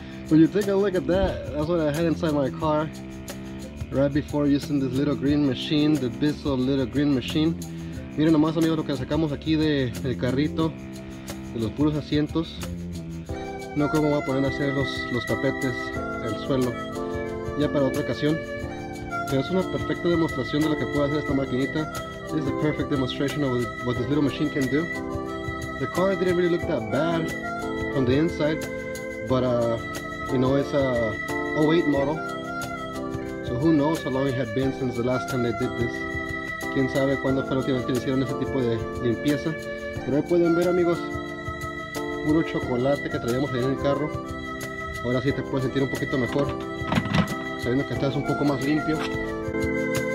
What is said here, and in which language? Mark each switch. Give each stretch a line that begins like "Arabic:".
English: When you take a look at that, that's what I had inside my car right before using this little green machine, the Bissell little green machine.
Spanish: Miren nomás, amigos, lo que sacamos aquí del carrito, de los puros asientos. No, cómo voy a poner a hacer los tapetes, el suelo, ya para otra ocasión. Pero es una perfecta demostración de lo que puede hacer esta maquinita.
English: This is a perfect demonstration of what this little machine can do. The car didn't really look that bad from the inside, but you know, it's a 08 model. So who knows how long it had been since the last time they did this.
Spanish: Quién sabe cuándo fue la última vez que hicieron ese tipo de limpieza. Pero ahí pueden ver, amigos, puro chocolate que traíamos ahí en el carro. Ahora sí te puedes sentir un poquito mejor, sabiendo que estás un poco más limpio.